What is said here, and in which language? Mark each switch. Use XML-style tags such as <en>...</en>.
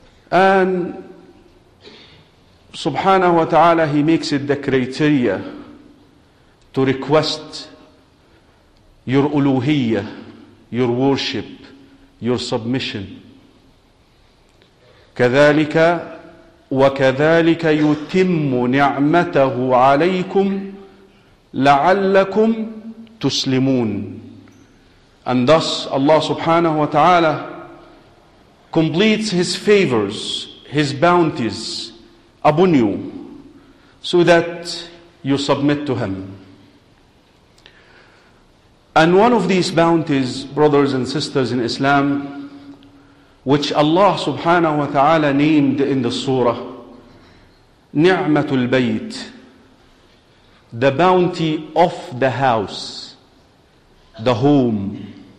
<en>And subhanahu wa ta'ala, He makes it the criteria to request your uluhiyyah, your worship, your submission.</en> <ar>كذلك وكذلك يتم نعمته عليكم لعلكم تسلمون.</ar> <en>And thus Allah subhanahu wa ta'ala completes His favors, His bounties upon you so that you submit to Him. And one of these bounties, brothers and sisters in Islam, which Allah subhanahu wa ta'ala named in the surah, ni'matul bayt, the bounty of the house, the home.</en>